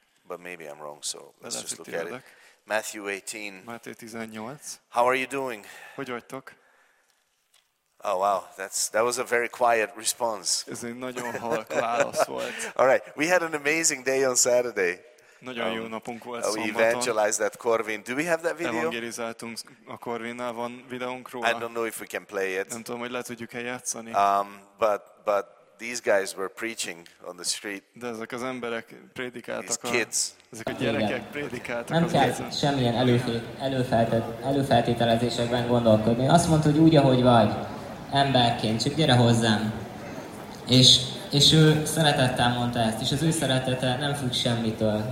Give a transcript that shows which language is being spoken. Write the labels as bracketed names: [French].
[English] But maybe I'm wrong, so let's just look at it. Matthew 18. [Hungarian] Máté 18. [English] How are you doing? [Hungarian] Hogy vagytok? [English] Oh wow, that was a very quiet response. [Hungarian] Ez egy nagyon halk válasz volt. [English] All right, we had an amazing day on Saturday. [Hungarian] Nagyon jó napunk volt szombaton. [English] We evangelized that Corvin. Do we have that video? [Hungarian] Evangelizáltunk a Corvinnál, van videónk róla. [English] I don't know if we can play it. [Hungarian] Nem tudom, hogy le tudjuk-e játszani. [English] But these guys were preaching on the street. [Hungarian] De ezek az emberek prédikáltak. [English] Kids. [Hungarian] Ezek a gyerekek prédikáltak. Nem kell semmilyen előfeltételezésekben gondolkodni. Azt mondta, hogy úgy, ahogy vagy, emberként, csak gyere hozzám. És ő szeretettel mondta ezt, és az ő szeretete nem függ semmitől.